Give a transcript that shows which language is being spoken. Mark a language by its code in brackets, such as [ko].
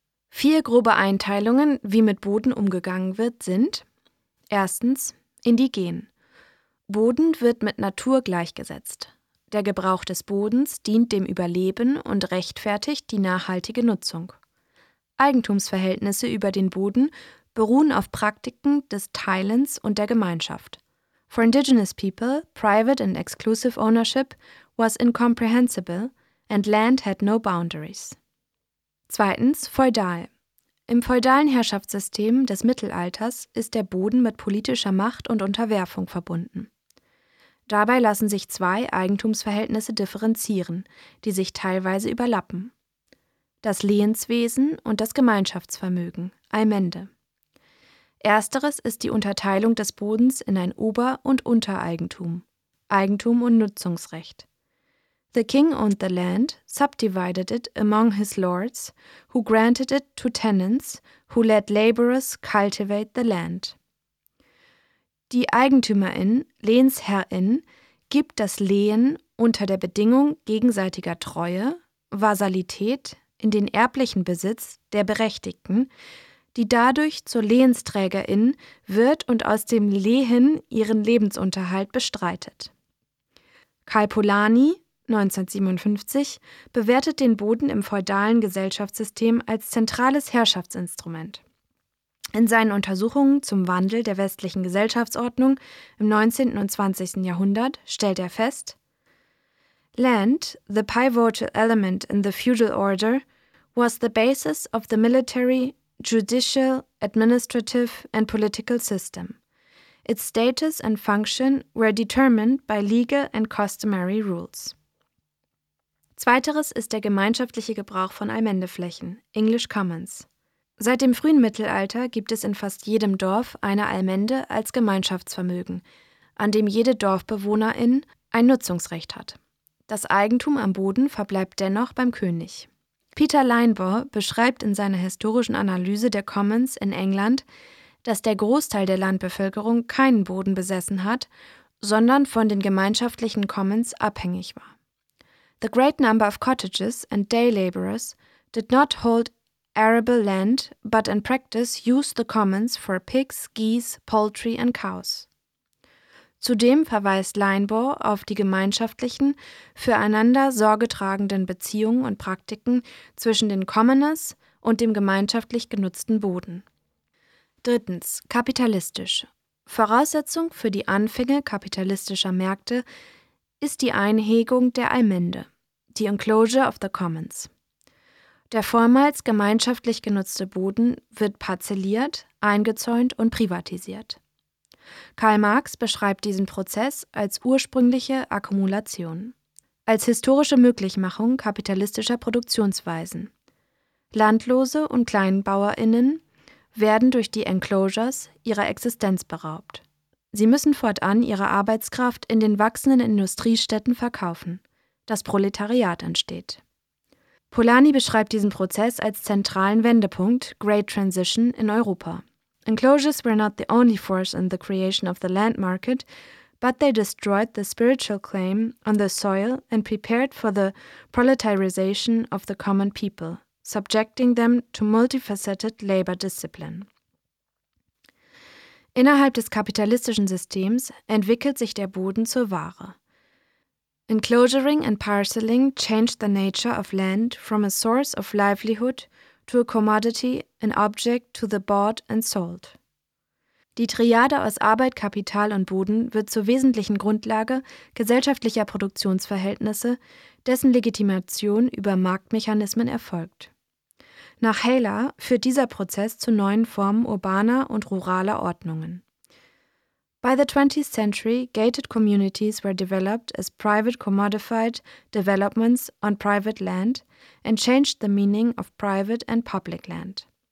[de] Vier grobe Einteilungen, wie mit Boden umgegangen wird, sind: erstens, indigen. Boden wird mit Natur gleichgesetzt. Der Gebrauch des Bodens dient dem Überleben und rechtfertigt die nachhaltige Nutzung. Eigentumsverhältnisse über den Boden beruhen auf Praktiken des Teilens und der Gemeinschaft. [en] For indigenous people, private and exclusive ownership was incomprehensible and land had no boundaries. [de] Zweitens, feudal. Im feudalen Herrschaftssystem des Mittelalters ist der Boden mit politischer Macht und Unterwerfung verbunden. Dabei lassen sich zwei Eigentumsverhältnisse differenzieren, die sich teilweise überlappen. Das Lehenswesen und das Gemeinschaftsvermögen, Allmende. Ersteres ist die Unterteilung des Bodens in ein Ober- und Untereigentum, Eigentum und Nutzungsrecht. [en] The king owned the land, subdivided it among his lords, who granted it to tenants, who let laborers cultivate the land. [de] Die Eigentümerin, Lehnsherrin, gibt das Lehen unter der Bedingung gegenseitiger Treue, Vasalität in den erblichen Besitz der Berechtigten, die dadurch zur Lehensträgerin wird und aus dem Lehen ihren Lebensunterhalt bestreitet. Kalpolani, 1957, bewertet den Boden im feudalen Gesellschaftssystem als zentrales Herrschaftsinstrument. In seinen Untersuchungen zum Wandel der westlichen Gesellschaftsordnung im 19. und 20. Jahrhundert stellt er fest: [en] Land, the pivotal element in the feudal order, was the basis of the military, judicial, administrative and political system. Its status and function were determined by legal and customary rules. [de] Zweiteres ist der gemeinschaftliche Gebrauch von Allmendeflächen, English Commons. Seit dem frühen Mittelalter gibt es in fast jedem Dorf eine Allmende als Gemeinschaftsvermögen, an dem jede Dorfbewohnerin ein Nutzungsrecht hat. Das Eigentum am Boden verbleibt dennoch beim König. Peter Linebaugh beschreibt in seiner historischen Analyse der Commons in England, dass der Großteil der Landbevölkerung keinen Boden besessen hat, sondern von den gemeinschaftlichen Commons abhängig war. [en] The great number of cottages and day laborers did not hold arable land, but in practice used the commons for pigs, geese, poultry and cows. [de] Zudem verweist Linebaugh auf die gemeinschaftlichen, füreinander sorgetragenden Beziehungen und Praktiken zwischen den Commoners und dem gemeinschaftlich genutzten Boden. Drittens, kapitalistisch. Voraussetzung für die Anfänge kapitalistischer Märkte ist die Einhegung der Allmende, die Enclosure of the Commons. Der vormals gemeinschaftlich genutzte Boden wird parzelliert, eingezäunt und privatisiert. Karl Marx beschreibt diesen Prozess als ursprüngliche Akkumulation, als historische Möglichmachung kapitalistischer Produktionsweisen. Landlose und KleinbauerInnen werden durch die Enclosures ihrer Existenz beraubt. Sie müssen fortan ihre Arbeitskraft in den wachsenden Industriestädten verkaufen. Das Proletariat entsteht. Polanyi beschreibt diesen Prozess als zentralen Wendepunkt, Great Transition, in Europa. [en] Enclosures were not the only force in the creation of the land market, but they destroyed the spiritual claim on the soil and prepared for the proletarization of the common people, subjecting them to multifaceted labor discipline. [de] Innerhalb des kapitalistischen Systems entwickelt sich der Boden zur Ware. [en] Enclosuring and parceling changed the nature of land from a source of livelihood to a commodity, an object to the bought and sold. [de] Die Triade aus Arbeit, Kapital und Boden wird zur wesentlichen Grundlage gesellschaftlicher Produktionsverhältnisse, dessen Legitimation über Marktmechanismen erfolgt. Nach Haller führt dieser Prozess zu neuen Formen urbaner und ruraler Ordnungen. [en] By the 20th century, gated communities were developed as private commodified developments on private land and changed the meaning of private and public land.